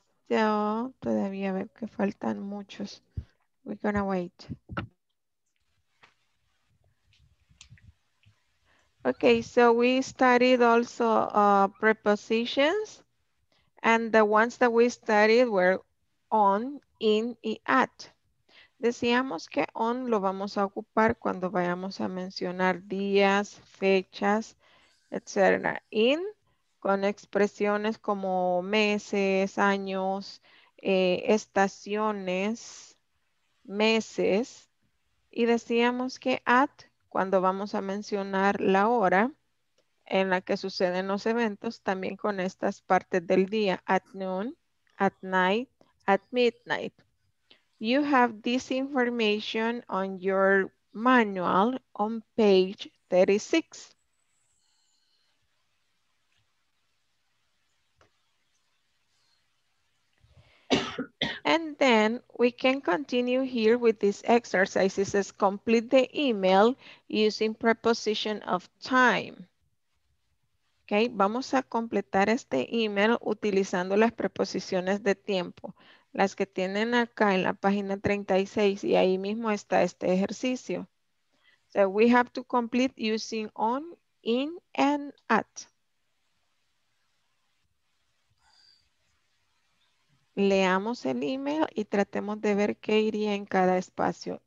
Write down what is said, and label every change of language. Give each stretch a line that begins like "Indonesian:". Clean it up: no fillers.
Spanish: So, todavía veo que faltan muchos.
English: We're gonna wait. Okay, so we studied also prepositions, and the ones that we studied were on, in, y at.
Spanish: Decíamos que on lo vamos a ocupar cuando vayamos a mencionar días, fechas, etc. In, con expresiones como meses, años, estaciones, meses. Y decíamos que at, cuando vamos a mencionar la hora en la que suceden los eventos, también con estas partes del día,
English: at noon, at night, at midnight. You have this information on your manual on page 36. And then we can continue here with this exercise. It says complete the email using preposition of time.
Spanish: Okay, vamos a completar este email utilizando las preposiciones de tiempo. Las que tienen acá en la página 36 y ahí mismo está este ejercicio.
English: So we have to complete using on, in, and at.
Spanish: Leamos el email y tratemos de ver qué iría en cada espacio.